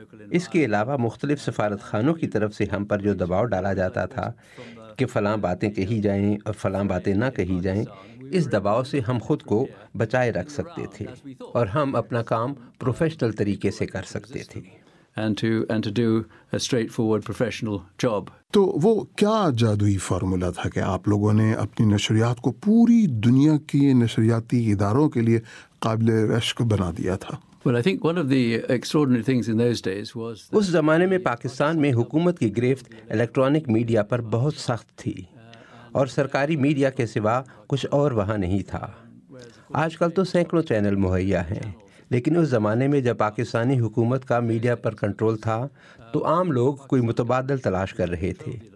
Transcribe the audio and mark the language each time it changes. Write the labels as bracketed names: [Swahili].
[Urdu] اس کے علاوہ مختلف سفارتخانوں کی طرف سے ہم پر جو دباؤ ڈالا جاتا تھا کہ فلاں باتیں کہی جائیں اور فلاں باتیں نہ کہی جائیں, اس دباؤ سے ہم خود کو بچائے رکھ سکتے تھے اور ہم اپنا کام پروفیشنل طریقے سے کر سکتے تھے. [English] And to do a straightforward professional job. [Urdu] تو وہ کیا جادوئی فارمولا تھا کہ آپ لوگوں نے اپنی نشریات کو پوری دنیا کی نشریاتی اداروں کے لیے قابل رشک بنا دیا تھا؟ [English] Well, I think one of the extraordinary things in those days was [Urdu] that اس زمانے میں پاکستان میں حکومت کی گرفت الیکٹرانک میڈیا پر بہت سخت تھی اور سرکاری میڈیا کے سوا کچھ اور وہاں نہیں تھا. آج کل تو سینکڑوں چینل مہیا ہیں لیکن اس زمانے میں جب پاکستانی حکومت کا میڈیا پر کنٹرول تھا تو عام لوگ کوئی متبادل تلاش کر رہے تھے.